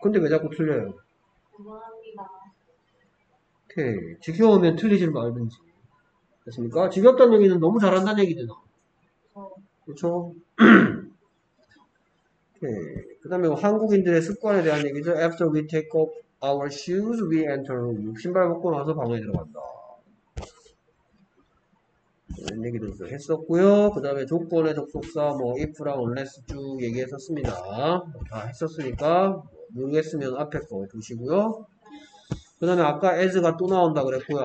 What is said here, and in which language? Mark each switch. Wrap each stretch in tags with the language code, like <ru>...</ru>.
<ko>근데 왜 자꾸 틀려요? 고맙습니다. 오케이. 지겨우면 틀리질 말든지. 됐습니까? 지겹다는 얘기는 너무 잘한다는 얘기잖아. 그쵸? 오케이. 그 다음에 한국인들의 습관에 대한 얘기죠.</ko> <en>After we take off our shoes, we enter room.</en> <ko>신발 벗고 나서 방에 들어간다. 이런 얘기도 했었고요. 그 다음에 조건의 접속사, 뭐, if랑 unless 쭉 얘기했었습니다. 다 했었으니까, 모르겠으면 앞에 거 두시고요. 그 다음에 아까 as가 또 나온다 그랬고요.</ko>